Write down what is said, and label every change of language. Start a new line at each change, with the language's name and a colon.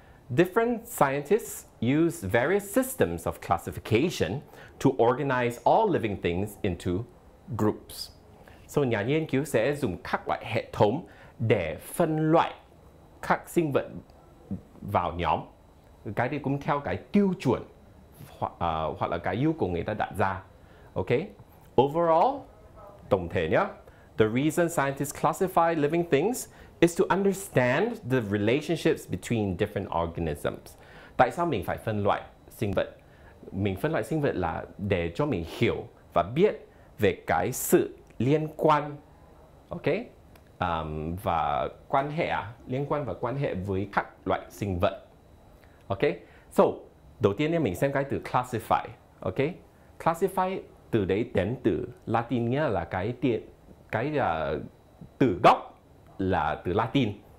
English: Different scientists use various systems of classification to organize all living things into groups.
Vietnamese: So nhà nghiên cứu sẽ dùng các loại hệ thống để phân loại các sinh vật vào nhóm, cái đấy cũng theo cái tiêu chuẩn hoặc là cái yêu cầu người ta đặt ra.
English: Ok, overall,
Vietnamese: tổng thể nhé,
English: the reason scientists classify living things is to understand the relationships between different organisms.
Vietnamese: Tại sao mình phải phân loại sinh vật? Mình phân loại sinh vật là để cho mình hiểu và biết về cái sự liên quan, ok, và quan hệ, liên quan và quan hệ với các loại sinh vật. Ok, so đầu tiên mình xem cái từ classify. Ok, classify từ đấy đến từ Latin, nghĩa là cái từ gốc là từ Latin.